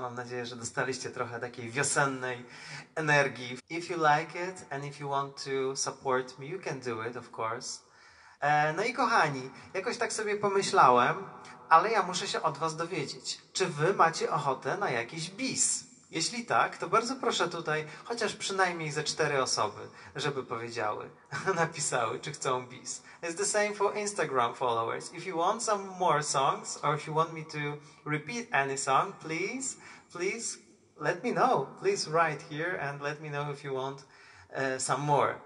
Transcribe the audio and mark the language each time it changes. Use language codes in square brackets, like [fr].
[pl] Mam nadzieję, że dostaliście trochę takiej wiosennej energii. [en] If you like it and if you want to support me, you can do it, of course. [pl] No i kochani, jakoś tak sobie pomyślałem, ale ja muszę się od was dowiedzieć. Czy wy macie ochotę na jakiś bis? Jeśli tak, to bardzo proszę tutaj, chociaż przynajmniej ze 4 osoby, żeby powiedziały, napisały, czy chcą bis. [en] It's the same for Instagram followers. If you want some more songs, or if you want me to repeat any song, please, please let me know. Please write here and let me know if you want some more.